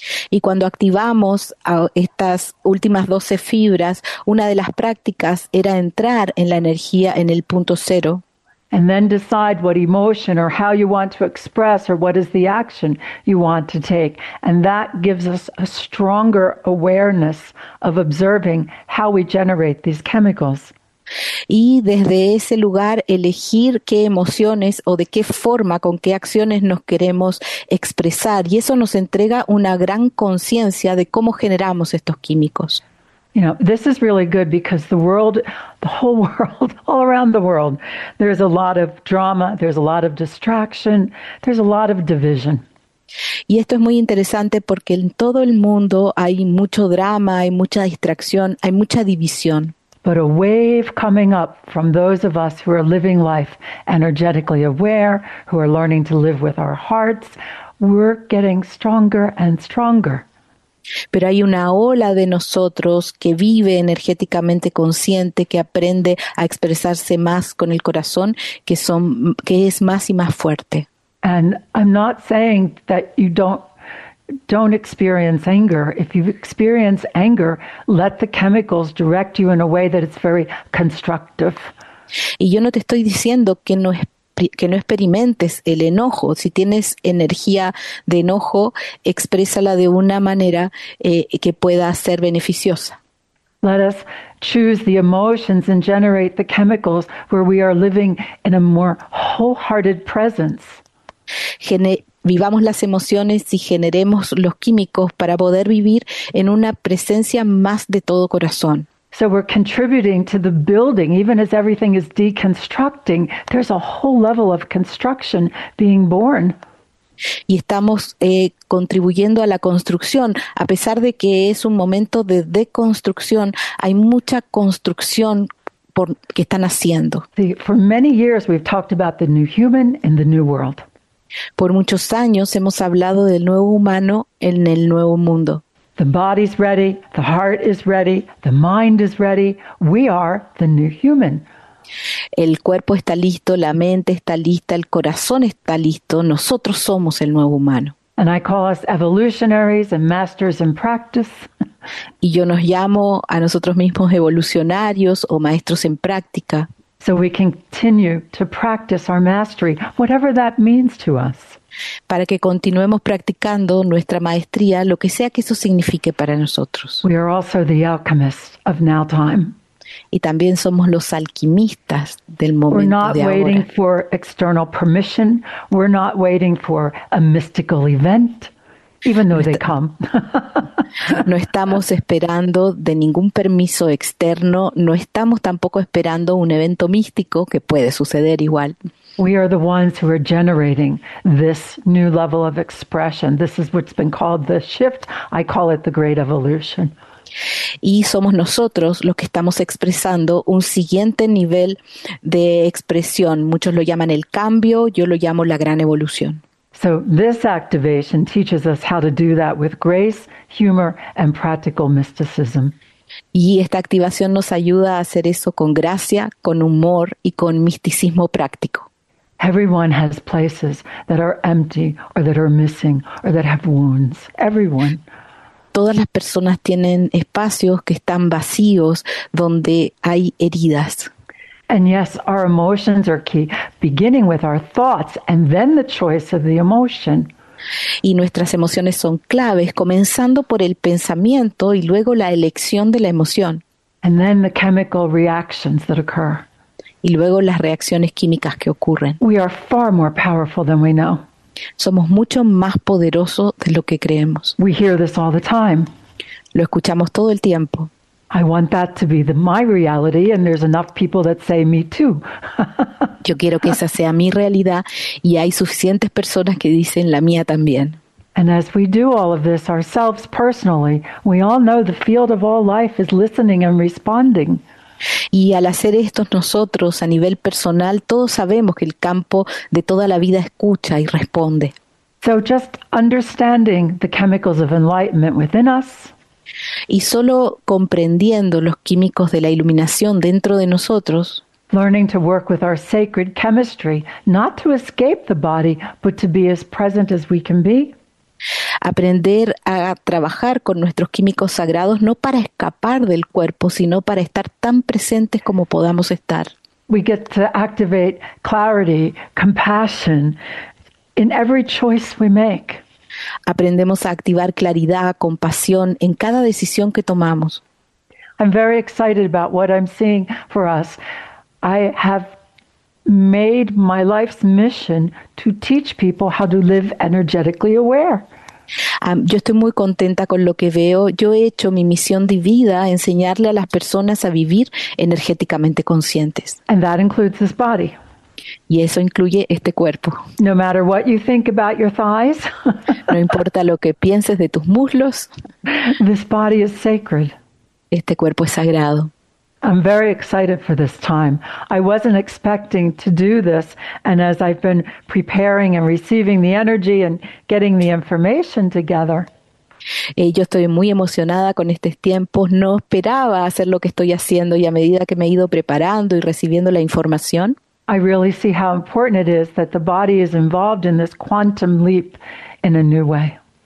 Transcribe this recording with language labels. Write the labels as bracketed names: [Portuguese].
[Spanish] Y cuando activamos estas últimas 12 fibras, una de las prácticas era entrar en la energía en el punto cero. [English] And then decide what emotion or how you want to express or what is the action you want to take. And that gives us a stronger awareness of observing how we generate these chemicals. [Spanish] Y desde ese lugar elegir qué emociones o de qué forma, con qué acciones nos queremos expresar. Y eso nos entrega una gran conciencia de cómo generamos estos químicos. [English] You know, this is really good because the world, the whole world, all around the world, there's a lot of drama, there's a lot of distraction, there's a lot of division. [Spanish] Y esto es muy interesante porque en todo el mundo hay mucho drama, hay mucha distracción, hay mucha división. [English] But a wave coming up from those of us who are living life energetically aware, who are learning to live with our hearts, we're getting stronger and stronger. [Spanish] Pero hay una ola de nosotros que vive energéticamente consciente, que aprende a expresarse más con el corazón, que es más y más fuerte. [English] And I'm not saying that you don't experience anger. If you experience anger, let the chemicals direct you in a way that it's very constructive. [Spanish] Y yo no te estoy diciendo que no experimentes el enojo. Si tienes energía de enojo, exprésala de una manera que pueda ser beneficiosa. [English] Let us choose the emotions and generate the chemicals where we are living in a more wholehearted presence. [Spanish] Vivamos las emociones y generemos los químicos para poder vivir en una presencia más de todo corazón. [English] So we're contributing to the building, even as everything is deconstructing, there's a whole level of construction being born. [Spanish] Y estamos contribuyendo a la construcción, a pesar de que es un momento de deconstrucción, hay mucha construcción que están haciendo. [English] See, for many years we've talked about the new human and the new world. [Spanish] Por muchos años hemos hablado del nuevo humano en el nuevo mundo. [English] The body's ready, the heart is ready, the mind is ready. We are the new human. [Spanish] El cuerpo está listo, la mente está lista, el corazón está listo. Nosotros somos el nuevo humano. [English] And I call us evolutionaries and masters in practice. [Spanish] Y yo nos llamo a nosotros mismos evolucionarios o maestros en práctica. [English] So we continue to practice our mastery, whatever that means to us. [Spanish] Para que continuemos practicando nuestra maestría, lo que sea que eso signifique para nosotros. [English] We are also the alchemists of now time. [Spanish] y también somos los alquimistas del momento de ahora. [English] We're not waiting for external permission. We're not waiting for a mystical event, even though they come. [Spanish] No estamos esperando de ningún permiso externo. No estamos tampoco esperando un evento místico que puede suceder igual. [English] We are the ones who are generating this new level of expression. This is what's been called the shift. I call it the great evolution. [Spanish] Y somos nosotros los que estamos expresando un siguiente nivel de expresión. Muchos lo llaman el cambio, yo lo llamo la gran evolución. [English] So this activation teaches us how to do that with grace, humor, and practical mysticism. [Spanish] Y esta activación nos ayuda a hacer eso con gracia, con humor y con misticismo práctico. [English] Everyone has places that are empty or that are missing or that have wounds. Everyone. [Spanish] Todas las personas tienen espacios que están vacíos donde hay heridas. [English] And yes, our emotions are key, beginning with our thoughts and then the choice of the emotion. [Spanish] Y nuestras emociones son claves, comenzando por el pensamiento y luego la elección de la emoción. [English] And then the chemical reactions that occur. [Spanish] Y luego las reacciones químicas que ocurren. [English] We are far more powerful than we know. [Spanish] Somos mucho más poderosos de lo que creemos. [English] We hear this all the time. [Spanish] Lo escuchamos todo el tiempo. [English] I want that to be my reality, and there's enough people that say me too. [Spanish] Yo quiero que esa sea mi realidad y hay suficientes personas que dicen la mía también. [English] And as we do all of this ourselves personally, we all know the field of all life is listening and responding. [Spanish] Y al hacer esto nosotros a nivel personal, todos sabemos que el campo de toda la vida escucha y responde. [English] So just understanding the chemicals of enlightenment within us. [Spanish] Y solo comprendiendo los químicos de la iluminación dentro de nosotros. [English] Learning to work with our sacred chemistry, not to escape the body, but to be as present as we can be. [Spanish] Aprender a trabajar con nuestros químicos sagrados no para escapar del cuerpo, sino para estar tan presentes como podamos estar. [English] We get to activate clarity, compassion in every choice we make. [Spanish] Aprendemos a activar claridad, compasión en cada decisión que tomamos. [English] I'm very excited about what I'm seeing for us. I have made my life's mission to teach people how to live energetically aware. [Spanish] Yo estoy muy contenta con lo que veo. Yo he hecho mi misión de vida enseñarle a las personas a vivir energéticamente conscientes. [English] And that includes this body. [Spanish] Y eso incluye este cuerpo. [English] No matter what you think about your thighs. [Spanish] No importa lo que pienses de tus muslos. [English] This body is sacred. [Spanish] Este cuerpo es sagrado. [English] I'm very excited for this time. I wasn't expecting to do this, and as I've been preparing and receiving the energy and getting the information together. [Spanish] Yo estoy muy emocionada con estos tiempos. No esperaba hacer lo que estoy haciendo, y a medida que me he ido preparando y recibiendo la información, [English] I really see how important it is that the body is involved in this quantum leap in a new way.